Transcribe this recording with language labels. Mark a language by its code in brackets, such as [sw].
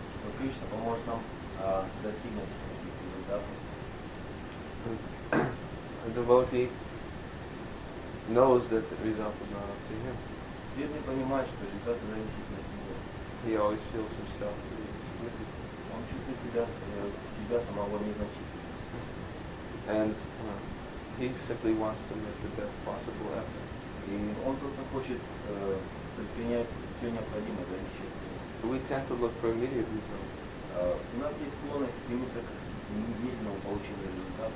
[ru] Что Кришна поможет нам достигнуть этих результатов. [en] A devotee knows that the results are not up to him. [ru] Верный понимает, что результаты зависят от него. [en] He always feels himself insignificant. [ru] Он чувствует себя самого незначительным. [en] And he simply wants to make the best possible effort. [ru] И он просто хочет предпринять все необходимое для решения. [en] We tend to look for immediate results. [ru] У нас есть склонность стремиться к немедленному получению результата.